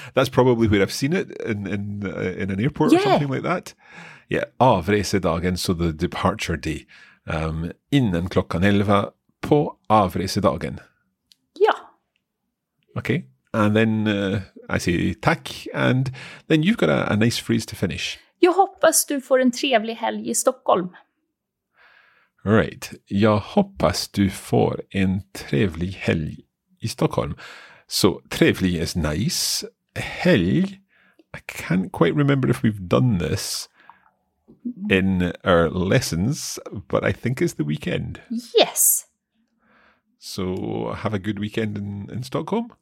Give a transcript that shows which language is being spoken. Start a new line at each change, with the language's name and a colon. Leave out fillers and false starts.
English: That's probably where I've seen it in an airport or something like that. Yeah. Avresedagen, so the departure day.
Swedish: Innan klockan 11 på avresedagen.
English: Yeah. Okay. And then I say tack. And then you've got a nice phrase to finish.
Swedish: Jag hoppas du får en trevlig helg i Stockholm.
English: Right.
Swedish: Jag hoppas du får en trevlig helg i Stockholm.
English: So, trevlig is nice. Helg, I can't quite remember if we've done this in our lessons, but I think it's the weekend. Yes. So, have a good weekend in Stockholm?